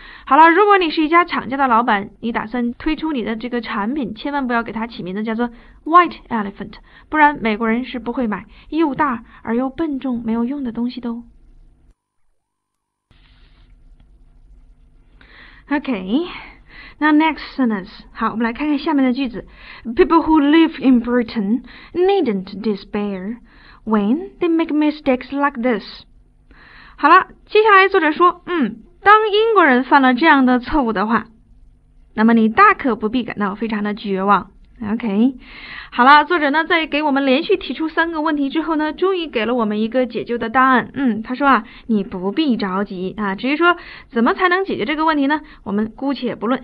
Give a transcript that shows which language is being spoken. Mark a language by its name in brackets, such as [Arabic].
[Chinese] 好了，如果你是一家厂家的老板，你打算推出你的这个产品，千万不要给它起名字叫做 white elephant， 不然美国人是不会买又大而又笨重没有用的东西的哦。 [English] Okay, now next sentence. [Chinese] 好，我们来看看下面的句子。 [English] People who live in Britain needn't despair when they make mistakes like this. [Chinese] 好了，接下来作者说，当英国人犯了这样的错误的话，那么你大可不必感到非常的绝望。 Okay, 好了，作者呢在给我们连续提出三个问题之后呢，终于给了我们一个解救的答案。他说啊，你不必着急啊，至于说怎么才能解决这个问题呢，我们姑且不论。